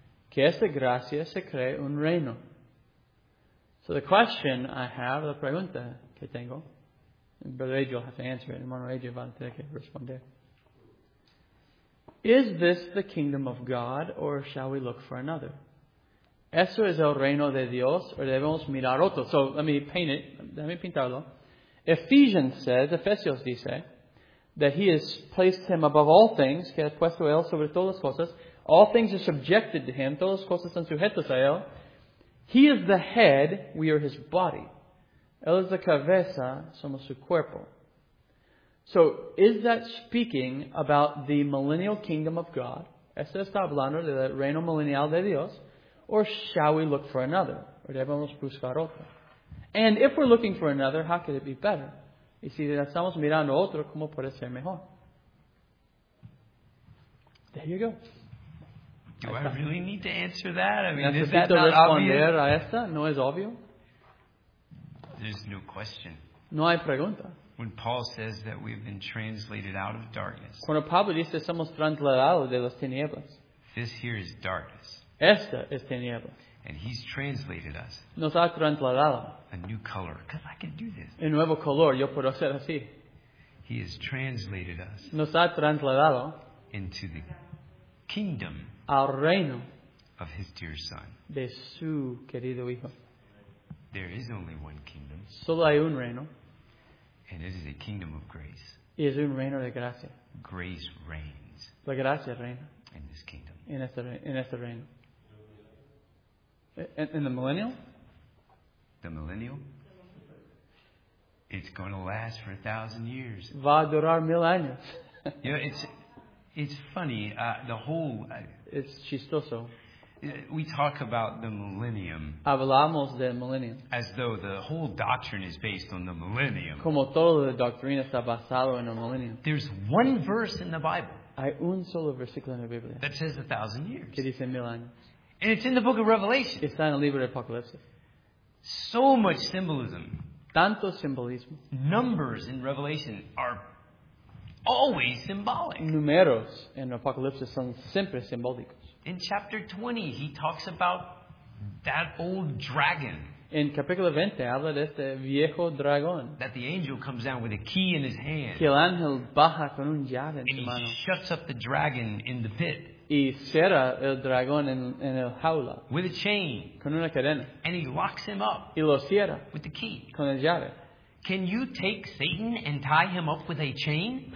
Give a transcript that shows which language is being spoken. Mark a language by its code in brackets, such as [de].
[es] Que esta gracia se crea un reino. [en] So the question I have, [es] la pregunta que tengo, [en] and Brother Adrian will have to answer it, and [es] Hermano Adrian va a tener que responder. [en] Is this the kingdom of God, or shall we look for another? [es] ¿Eso es el reino de Dios, o debemos mirar otro? [en] So let me paint it, let me [es] pintarlo. [en] Ephesians dice, that he has placed him above all things, [es] que ha puesto él sobre todas las cosas. [en] All things are subjected to him, [es] todas las cosas son sujetas a él. [en] He is the head, we are his body. [es] Él es la cabeza, somos su cuerpo. [en] So, is that speaking about the millennial kingdom of God? [es] ¿Eso está hablando del reino millennial de Dios? [en] Or shall we look for another? [es] ¿O debemos buscar otro? [en] And if we're looking for another, how could it be better? [es] Y si estamos mirando otro, ¿cómo puede ser mejor? [en] There you go. Do I really need to answer that? I mean, [es] ¿necesito [en] is that not [es] responder [en] obvious? [es] A esta? ¿No es obvio? [en] There's no question. [es] No hay pregunta. [en] When Paul says that we've been translated out of darkness. [es] Cuando Pablo dice que somos trasladados de las tinieblas. [en] This here is darkness. [es] Esta es tinieblas. [en] And he's translated us. [es] Nos ha trasladado. [en] A new color. Because I can do this. [es] Un nuevo color. Yo puedo hacer así. [en] He has translated us. [es] Nos ha trasladado. [en] Into the kingdom. [es] Al reino. [en] Of his dear son. [es] De su querido hijo. [en] There is only one kingdom. [es] Solo hay un reino. [en] And it is a kingdom of grace. [es] Y es un reino de gracia. [en] Grace reigns. [es] La gracia reina. [en] In this kingdom. [es] En este reino. [en] In the millennial? The millennial? It's going to last for 1,000 years. [es] Va a durar mil años. [en] You know, it's funny. It's chistoso. We talk about the millennium. [es] Hablamos del millennium. [en] As though the whole doctrine is based on the millennium. [es] Como toda la doctrina está basada en el millennium. [en] There's one verse in the Bible. [es] Hay un solo versículo en la Biblia. [en] That says 1,000 years. [es] Que dice mil años. [en] And it's in the book of Revelation. [es] Está en el libro de Apocalipsis. [en] So much symbolism. [es] Tanto simbolismo. [en] Numbers in Revelation are always symbolic. [es] Números en Apocalipsis son siempre simbólicos. [en] In chapter 20, he talks about that old dragon. [es] En capítulo 20 habla de este viejo dragón. [en] That the angel comes down with a key in his hand. [es] Que el ángel baja con un llave en su mano. [en] And he shuts up the dragon in the pit. [es] Y cierra el dragón en el jaula. [en] With a chain. [es] Con una cadena. [en] And he locks him up. [es] Y lo cierra. [en] With the key. [es] Con el llave. [en] Can you take Satan and tie him up with a chain?